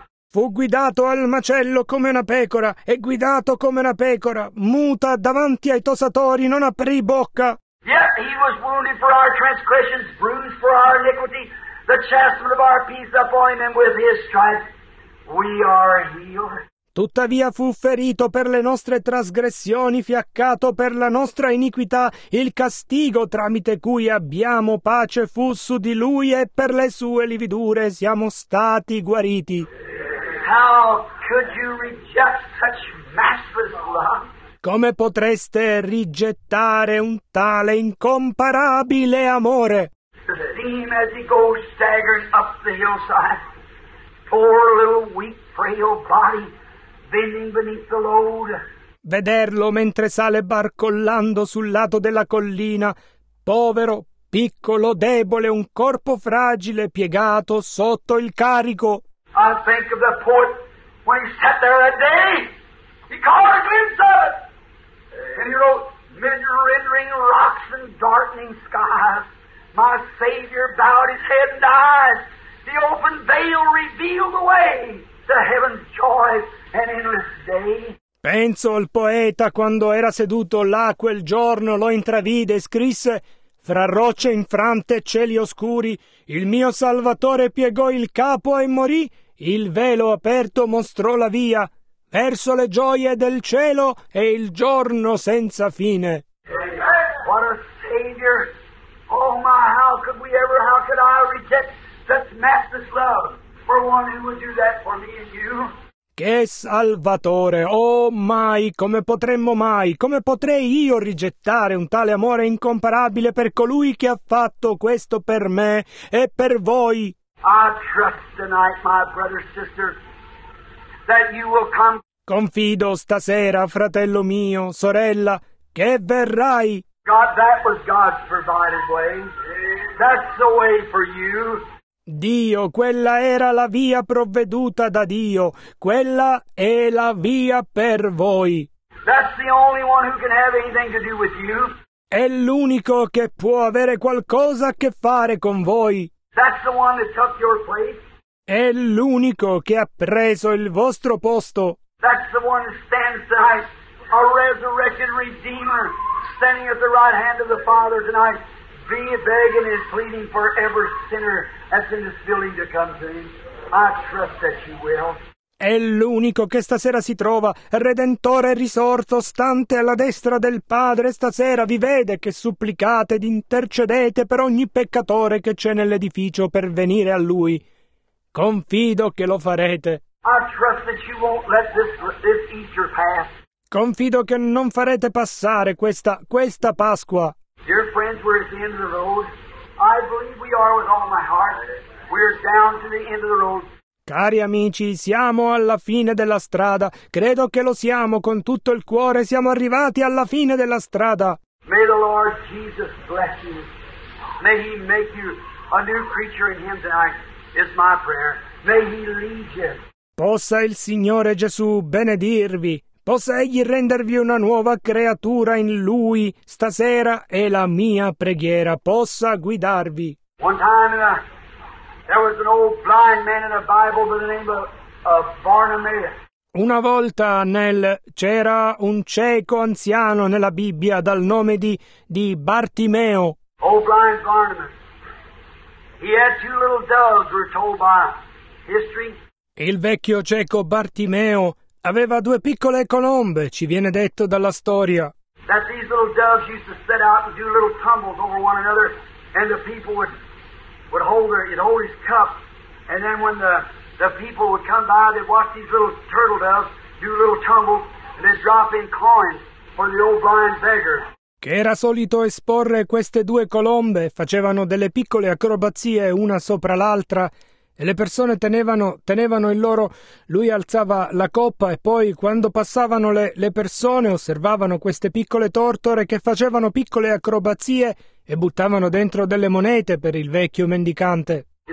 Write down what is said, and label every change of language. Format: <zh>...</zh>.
<it>Fu guidato al macello come una pecora, e guidato come una pecora, muta davanti ai tosatori, non aprì bocca.</it> <en>Yet he was wounded for our transgressions, bruised for our iniquity. The chastisement of our peace upon him, and with his stripes we are healed.</en> <it>Tuttavia fu ferito per le nostre trasgressioni, fiaccato per la nostra iniquità. Il castigo tramite cui abbiamo pace fu su di lui, e per le sue lividure siamo stati guariti.</it> <en>How could you reject such matchless love?</en> <it>Come potreste rigettare un tale incomparabile amore?</it> <en>Seeing as he goes staggering up the hillside, poor little weak frail body bending beneath the load.</en> <it>Vederlo mentre sale barcollando sul lato della collina, povero, piccolo, debole, un corpo fragile piegato sotto il carico.</it> <en>I think of the poet when he sat there that day. He caught a glimpse of it. And he wrote, "Mid-rendering rocks and darkening skies, my Savior bowed his head and died. The open veil revealed the way to heaven's joy and endless day."</en> <it>Penso al poeta quando era seduto là quel giorno, lo intravide e scrisse: "Fra rocce infrante e cieli oscuri, il mio Salvatore piegò il capo e morì. Il velo aperto mostrò la via verso le gioie del cielo e il giorno senza fine."</it> <en>What a Savior! Oh my, how could we ever, how could I reject such matchless love for one who would do that for me and you?</en> <it>Che Salvatore! Oh mai, come potremmo mai, come potrei io rigettare un tale amore incomparabile per colui che ha fatto questo per me e per voi?</it> <en>I trust tonight, my brother, sister, that you will come.</en> <it>Confido stasera, fratello mio, sorella, che verrai.</it> <en>God, that was God's provided way. That's the way for you.</en> <it>Dio, quella era la via provveduta da Dio. Quella è la via per voi.</it> <en>That's the only one who can have anything to do with you.</en> <it>È l'unico che può avere qualcosa a che fare con voi.</it> <en>That's the one that took your place.</en> <it>È l'unico che ha preso il vostro posto.</it> <en>That's the one that stands tonight, a resurrected Redeemer, standing at the right hand of the Father tonight, begging and pleading for every sinner that's in this building to come to him. I trust that you will.</en> <it>È l'unico che stasera si trova, Redentore risorto, stante alla destra del Padre, stasera vi vede che supplicate ed intercedete per ogni peccatore che c'è nell'edificio per venire a Lui. Confido che lo farete.</it> <en>I trust that you won't let this Easter pass.</en> <it>Confido che non farete passare questa Pasqua.</it> <en>Dear friends, we're at the end of the road. I believe we are with all my heart. We're down to the end of the road.</en> <it>Cari amici, siamo alla fine della strada. Credo che lo siamo con tutto il cuore. Siamo arrivati alla fine della strada.</it> <en>May the Lord Jesus bless you. May he make you a new creature in him tonight. It's my prayer. May he lead you.</en> <it>Possa il Signore Gesù benedirvi. Possa egli rendervi una nuova creatura in lui. Stasera è la mia preghiera. Possa guidarvi.</it> <en>One time there was an old blind man in the Bible by the name of Bartimaeus.</en> <it>Una volta c'era un cieco anziano nella Bibbia dal nome di Bartimeo.</it> <en>Old blind Bartimaeus. He had two little doves, we're told by history.</en> <it>Il vecchio cieco Bartimeo aveva due piccole colombe, ci viene detto dalla storia.</it> <en>That these little doves used to set out and do little tumbles over one another, and the people would hold her, he'd hold his cup, and then when the people would come by, they'd watch these little turtle doves do little tumbles, and then drop in coins for the old blind beggar.</en> <it>Che era solito esporre queste due colombe, facevano delle piccole acrobazie una sopra l'altra, e le persone tenevano il loro, lui alzava la coppa, e poi quando passavano le persone osservavano queste piccole tortore che facevano piccole acrobazie e buttavano dentro delle monete per il vecchio mendicante.</it>